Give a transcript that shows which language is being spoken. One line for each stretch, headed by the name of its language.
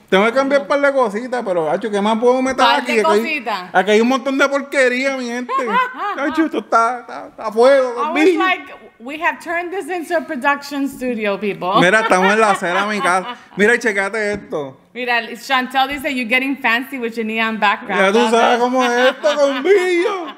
Spanish: Tengo que cambiar un par de cositas, pero, hacho, ¿qué más puedo meter par aquí? De aquí hay un montón de porquería, mi gente. Hacho, esto está a fuego.
English: I was like, We have turned this into a production studio, people.
Spanish: Mira, estamos en la acera de mi casa. Mira, y checate esto. Mira, Chantel dice,
English: you're getting fancy with your neon background.
Spanish: Ya tú sabes cómo es esto con brillo.